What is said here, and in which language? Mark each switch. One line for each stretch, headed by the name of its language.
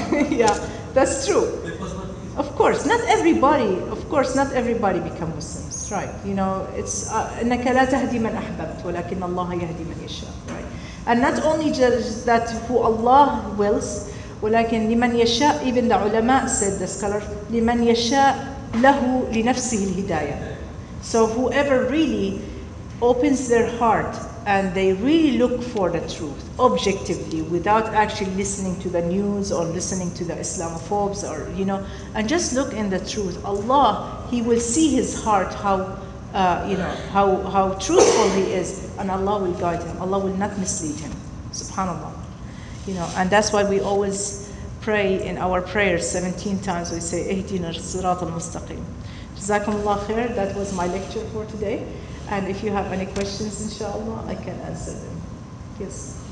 English: Yeah, that's true. Of course, not everybody. Of course, not everybody become Muslims, right? You know, it's
Arabic: إنك لا تهدي من أحببت ولكن الله يهدي من يشاء,
English: right? And not only just that, who Allah wills,
Arabic: ولكن لمن يشاء,
English: even the ulama said, the scholar,
Arabic: لمن يشاء له لنفسه الهداية.
English: So whoever really opens their heart and they really look for the truth objectively without actually listening to the news or listening to the Islamophobes or, you know, and just look in the truth, Allah, He will see his heart, how, you know, how truthful he is, and Allah will guide him. Allah will not mislead him. SubhanAllah. You know, and that's why we always pray in our prayers 17 times. We say,
Arabic: اهدنا الصراط المستقيم. جزاكم الله خير.
English: That was my lecture for today. And if you have any questions, inshallah, I can answer them. Yes.